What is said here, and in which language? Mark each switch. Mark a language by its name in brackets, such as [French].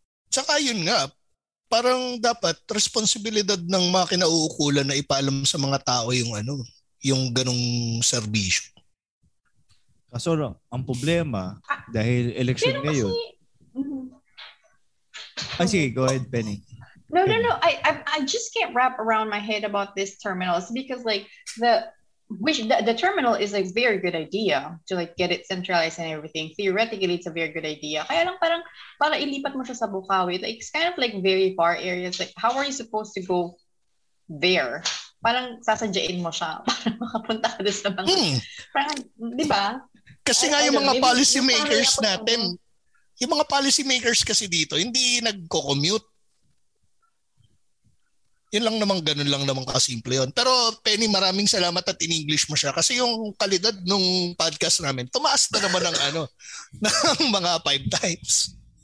[Filipino] Tsaka yun nga, parang dapat responsibilidad ng mga kinauukulan na ipaalam sa mga tao yung ano, yung ganong serbisyo. Kaso ang problema, dahil election ngayon. Ay, sige, [English] go ahead, [Filipino] Penny. [English] No. I just can't wrap around my head about this terminal. It's because like the terminal is a very good idea to like get it centralized and everything. Theoretically, it's a very good idea. [Filipino] Kaya lang parang para ilipat mo siya sa Bukawi. [English] Like, it's kind of like very far areas. Like how are you supposed to go there? [Filipino] Parang sasadyain mo siya para makapunta ka doon sa bang. Parang, di ba? Kasi nga yung mga policymakers natin, yung mga policymakers kasi dito, hindi nagko-commute. Yun lang naman, ganun lang naman kasimple yun. Pero Penny, maraming salamat at in-English mo siya kasi yung kalidad nung podcast namin, tumaas na naman ng ano, ng mga five times.